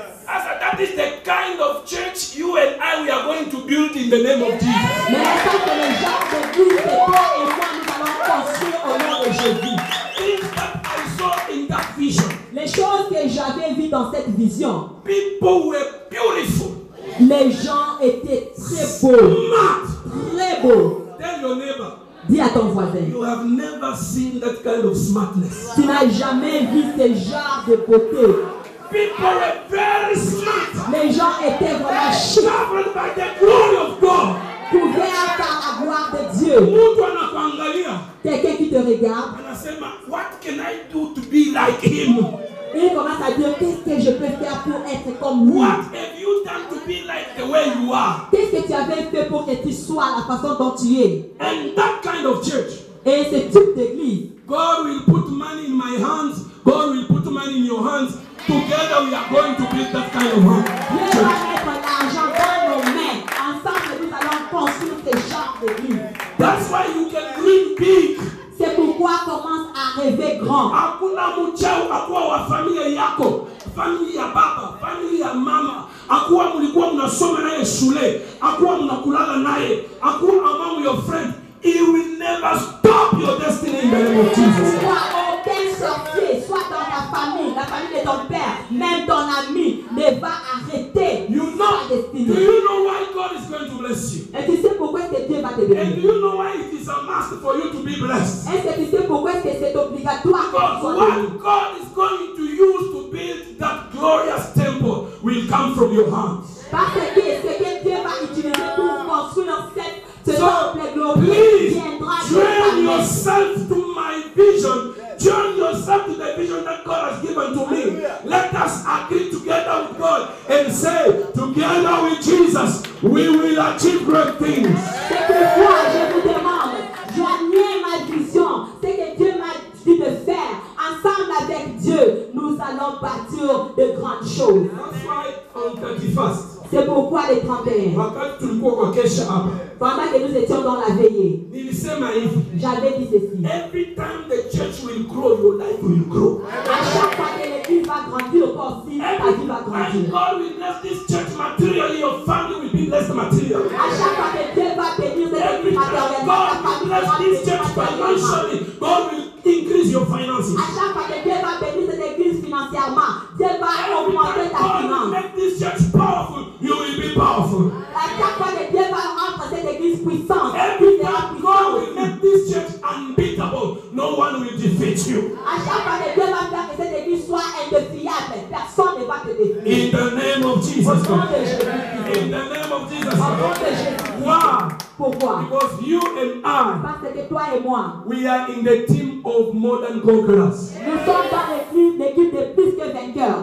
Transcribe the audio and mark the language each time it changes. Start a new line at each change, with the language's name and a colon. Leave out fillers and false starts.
English: As a, that is the kind of church you and I we are going to build in the name of Jesus.
French: Mais ça que les gens de Dieu, de toi et moi, nous allons construire au nom de Jésus.
English: Things that I saw in that vision.
French: Les choses que j'avais vues dans cette vision.
English: People were beautiful.
French: Les gens étaient très beaux.
English: Smart.
French: Très beaux.
English: Tell your neighbor.
French: Dis à ton voisin.
English: You have never seen that kind of smartness.
French: Tu n'as jamais vu ce genre de beauté.
English: People were very smart.
French: Les gens étaient vraiment
English: chics. Covered by the glory of God.
French: Couverts par la gloire de Dieu. Quelqu'un qui te regarde.
English: What can I do to be like him?
French: Et il commence à dire, qu'est-ce que je peux faire pour être comme lui?
English: What have you done to be like the way you are?
French: Qu'est-ce que tu avais fait pour que tu sois la façon dont tu es?
English: And that kind of church.
French: Et ce type d'église.
English: God will put money in my hands. God will put money in your hands. Together we are going to build that kind of church.
French: Dieu va mettre l'argent dans nos mains. Ensemble nous allons construire ce genre d'église.
English: That's why you can dream big.
French: C'est pourquoi commence à rêver grand.
Swahili: Hakuna mchao akuwa wa familia yako. Familia baba, familia mama. Akuwa mlikuwa mnasoma naye shule. Akuwa mnakulala naye.
English: Akuwa among your friend. He will never stop your destiny in the name of Jesus.
French: Aucun sorcier, soit dans ta famille, la famille de ton père, même ton ami, ne va arrêter.
English: You know,
French: ta destinée.
English: Do you know why God is going to bless you?
French: Et tu sais pourquoi est-ce que Dieu va te bénir?
English: And do you know why it is a must for you to be blessed?
French: Est-ce que tu sais pourquoi est-ce que c'est obligatoire?
English: Because what God is going to use to build that glorious temple will come from your hands.
French: Parce que ce que Dieu va utiliser pour construire cette temple glorieuse viendra de ta
English: yourself to my vision. Join yourself to the vision that God has given to me. Let us agree together with God and say, together with Jesus, we will achieve great things.
French: C'est pourquoi je vous demande, joignez ma vision, ce que Dieu m'a dit de faire. Ensemble avec Dieu, nous allons bâtir de grandes choses.
English: That's why on 31st.
French: C'est pourquoi les 31. Pendant que nous étions dans la veillée, j'avais dit ceci.
English: Every time the church will grow, your life will grow.
French: À chaque fois que l'église va grandir, aussi ta vie va grandir.
English: And God will bless this church materially, your family will be blessed materially.
French: À chaque fois que Dieu va bénir cette église matérielle,
English: God will bless this church financially. God will increase your finances.
French: À chaque fois que Dieu va bénir cette église financièrement, Dieu va augmenter ta finance.
English: God will make this church powerful. You will be powerful.
French: À chaque fois que Dieu va rendre cette église puissante,
English: every time God will make this church unbeatable, no one will defeat you.
French: À chaque fois que Dieu va faire que cette église soit indéfiable, personne ne va te défier.
English: In the name of Jesus.
French: Au nom de Jésus.
English: In the name of Jesus.
French: Au nom de Jésus.
English: Why?
French: Pourquoi?
English: Because you and I.
French: Parce que toi et moi.
English: We are in the team of more than conquerors.
French: Nous sommes dans l'équipe de plus que vainqueurs.